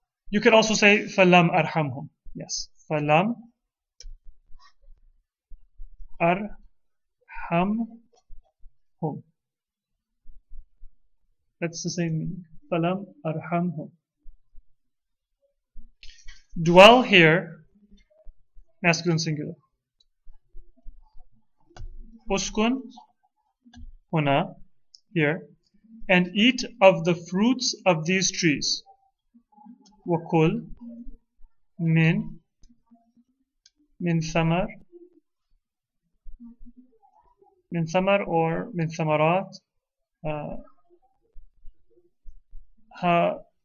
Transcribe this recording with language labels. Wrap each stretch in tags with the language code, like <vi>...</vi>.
<en>You could also say</en> <ar>فَلَمْ أَرْحَمْهُمْ</ar> <en>Yes. فَلَمْ أَرْحَمْهُمْ That's the same meaning.</en> <ar>فَلَمْ أَرْحَمْهُمْ</ar> <en>Dwell here, masculine singular.</en> <ar>أُسْكُنْ هُنَا Here.</ar> <en>And eat of the fruits of these trees.</en> <ar>وَكُلْ مِنْ ثَمَرْ مِنْ ثَمَرْ or مِنْ ثَمَرَات هَذِهِ</ar>